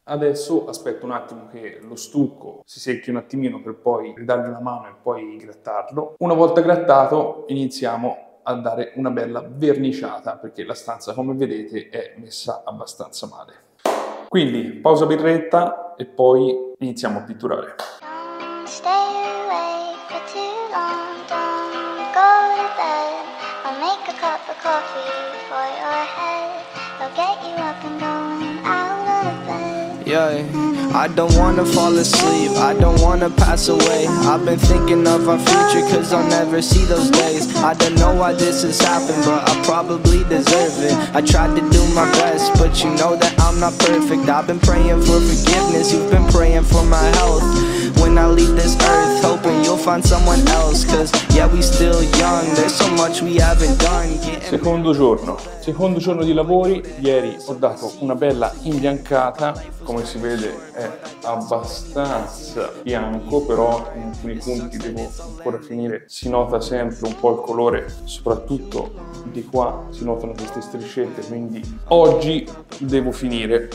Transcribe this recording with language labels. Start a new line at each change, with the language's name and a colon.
Italian: Adesso aspetto un attimo che lo stucco si secchi un attimino per poi ridargli una mano e poi grattarlo. Una volta grattato iniziamo a dare una bella verniciata, perché la stanza, come vedete, è messa abbastanza male. Quindi pausa birretta e poi iniziamo a pitturare.
English: Stay awake for too long, don't go to bed. I'll make a cup of coffee for your head. I'll get you up and going out of bed. Yeah. I don't wanna fall asleep, I don't wanna pass away. I've been thinking of our future, cause I'll never see those days. I don't know why this has happened, but I probably deserve it. I tried to do my best, but you know that I'm not perfect. I've been praying for forgiveness, you've been praying for my health. When I leave this earth, hoping you'll find someone else. Cause yeah, we still young, there's so much we haven't done.
Italian: Secondo giorno di lavori. Ieri ho dato una bella imbiancata, come si vede è abbastanza bianco, però in alcuni punti devo ancora finire. Si nota sempre un po' il colore, soprattutto di qua si notano queste striscette, quindi oggi devo finire.